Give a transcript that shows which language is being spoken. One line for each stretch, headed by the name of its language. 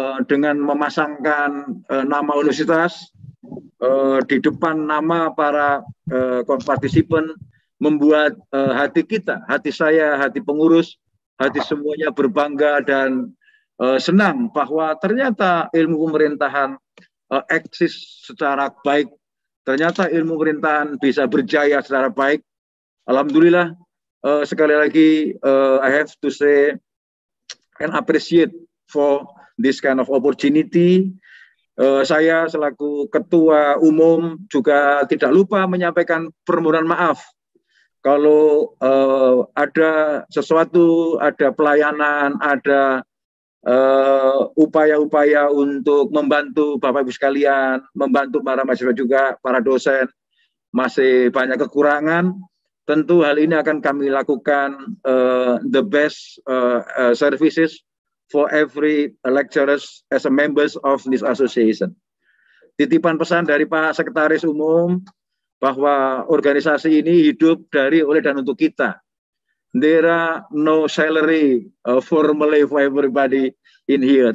Indonesian: dengan memasangkan nama universitas di depan nama para partisipan, membuat hati kita, hati saya, hati pengurus, hati semuanya berbangga dan senang bahwa ternyata ilmu pemerintahan eksis secara baik, ternyata ilmu pemerintahan bisa berjaya secara baik.
English: Alhamdulillah,
Indonesian: sekali lagi
English: I have to say and appreciate for this kind of opportunity.
Indonesian: Saya selaku ketua umum juga tidak lupa menyampaikan permohonan maaf kalau ada sesuatu, ada pelayanan, ada upaya-upaya untuk membantu Bapak-Ibu sekalian, membantu para mahasiswa juga, para dosen, masih banyak kekurangan. Tentu hal ini akan kami lakukan
English: the best services for every lecturers as a members of this association.
Indonesian: Titipan pesan dari Pak Sekretaris Umum, bahwa organisasi ini hidup dari, oleh, dan untuk kita.
English: There are no salary formally for everybody in here.